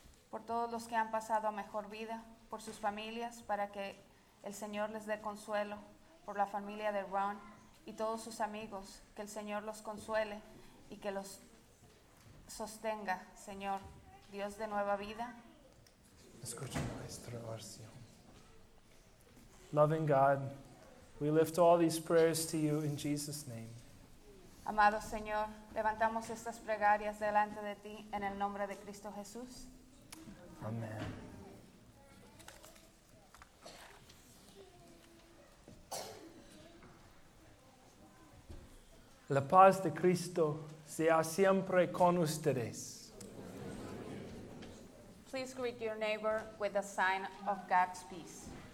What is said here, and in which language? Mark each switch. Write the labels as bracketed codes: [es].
[es] Por todos los que han pasado a mejor vida, por sus familias, para que el Señor les dé consuelo, por la familia de Ron y todos sus amigos, que el Señor los consuele y que los sostenga, Señor, Dios de nueva vida. Escucha nuestra oración. [en] Loving God, we lift all these prayers to you in Jesus' name. [es] Amado Señor, levantamos estas plegarias delante de ti en el nombre de Cristo Jesús. Amen. La paz de Cristo sea siempre con ustedes. [en] Please greet your neighbor with a sign of God's peace.